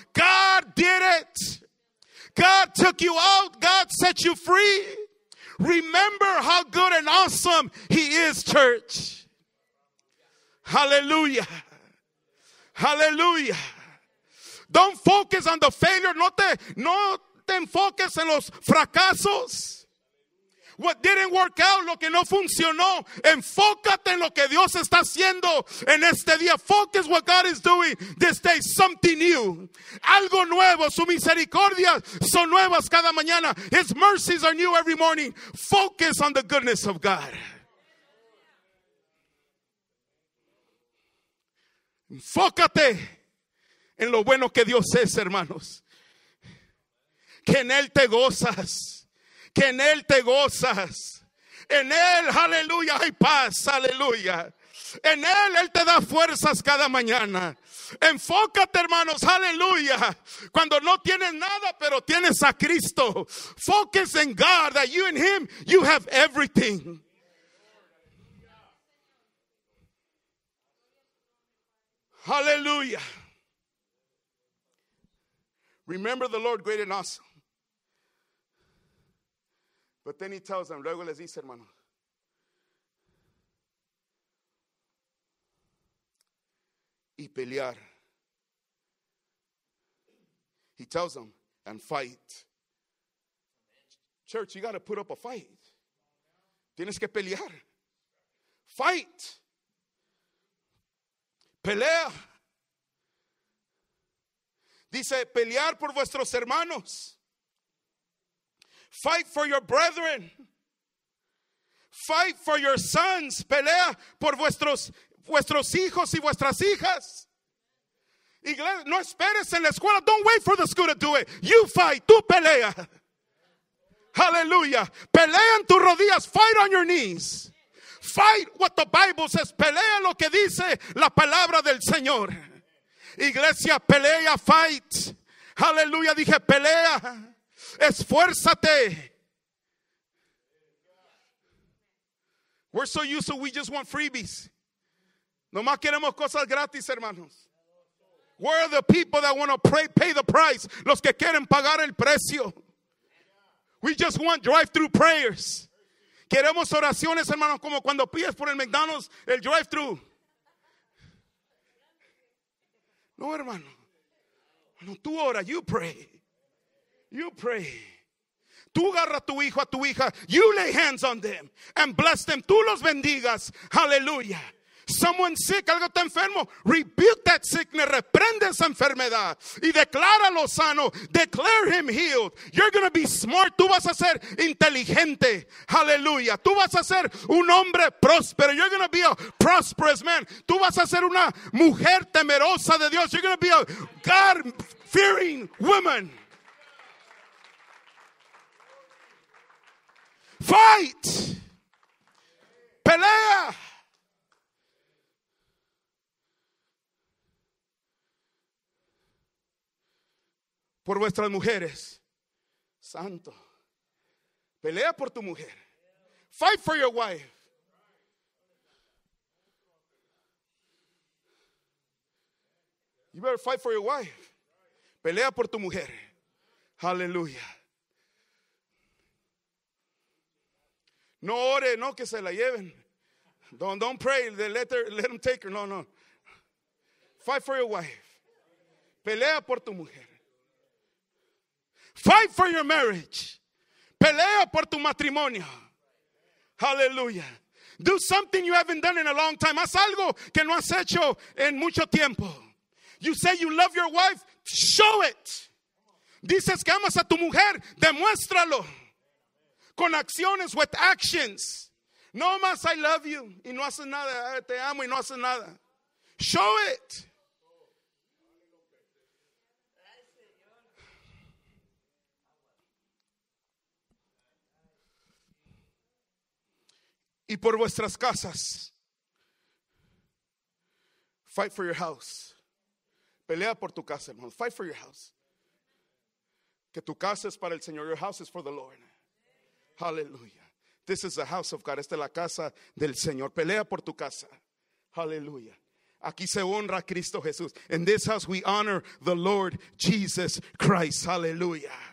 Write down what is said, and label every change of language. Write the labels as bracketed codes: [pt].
[en] God did it. God took you out. God set you free. Remember how good and awesome he is, church. Hallelujah. Hallelujah. Don't focus on the failure. [es] No te enfoques en los fracasos. [en] What didn't work out, [es] lo que no funcionó. Enfócate en lo que Dios está haciendo en este día. [en] Focus what God is doing this day. Something new. [es] Algo nuevo. Su misericordia son nuevas cada mañana. [en] His mercies are new every morning. Focus on the goodness of God. [es] Enfócate en lo bueno que Dios es, hermanos. Que en Él te gozas. Que en Él te gozas. En Él, aleluya, hay paz, aleluya. En Él, Él te da fuerzas cada mañana. Enfócate, hermanos, aleluya. Cuando no tienes nada, pero tienes a Cristo. [en] Focus in God, that you and Him, you have everything. [es] Aleluya. [en] Remember the Lord great and awesome. But then he tells them, [es] luego les dice, hermano. Y pelear. [en] He tells them, and fight. Church, you got to put up a fight. [es] Tienes que pelear. [en] Fight. [es] Pelea. Dice, pelear por vuestros hermanos. [en] Fight for your brethren. Fight for your sons. [es] Pelea por vuestros hijos y vuestras hijas. Iglesia, no esperes en la escuela. [en] Don't wait for the school to do it. You fight. [es] Tú pelea. [en] Hallelujah. [es] Pelea en tus rodillas. [en] Fight on your knees. Fight what the Bible says. [es] Pelea lo que dice la palabra del Señor. Iglesia, pelea, [en] fight. [es] Aleluya, dije pelea. Esfuérzate. [en] We're so used to we just want freebies. [es] Nomás queremos cosas gratis, hermanos. [en] Where are the people that want to pay the price? [es] Los que quieren pagar el precio. [en] We just want drive-through prayers. [es] Queremos oraciones, hermanos, como cuando pides por el McDonald's el drive-thru. No, hermano. No, tú ora, [en] you pray. You pray. [es] Tú agarra a tu hijo, a tu hija. [en] You lay hands on them and bless them. [es] Tú los bendigas. Hallelujah. [en] Someone sick, [es] algo está enfermo. [en] Rebuke that sickness. [es] Reprende esa enfermedad. Y decláralo sano. [en] Declare him healed. You're going to be smart. [es] Tú vas a ser inteligente. Hallelujah. Tú vas a ser un hombre próspero. [en] You're going to be a prosperous man. [es] Tú vas a ser una mujer temerosa de Dios. [en] You're going to be a God-fearing woman. Fight. [es] Pelea. Por vuestras mujeres. Santo. Pelea por tu mujer. [en] Fight for your wife. You better fight for your wife. [es] Pelea por tu mujer. Aleluya. No ore, no que se la lleven. [en] Don't pray. Let them take her. No. Fight for your wife. [es] Pelea por tu mujer. [en] Fight for your marriage. [es] Pelea por tu matrimonio. [en] Hallelujah. Do something you haven't done in a long time. [es] Haz algo que no has hecho en mucho tiempo. [en] You say you love your wife. Show it. [es] Dices que amas a tu mujer, demuéstralo. Con acciones, [en] with actions. [es] No más [en] I love you [es] y no haces nada, te amo y no haces nada. [en] Show it. [es] Y por vuestras casas. [en] Fight for your house. [es] Pelea por tu casa, hermano. [en] Fight for your house. [es] Que tu casa es para el Señor. [en] Your house is for the Lord. [es] Hallelujah. [en] This is the house of God. [es] Esta es la casa del Señor. Pelea por tu casa. Hallelujah. Aquí se honra a Cristo Jesús. [en] In this house we honor the Lord Jesus Christ. Hallelujah.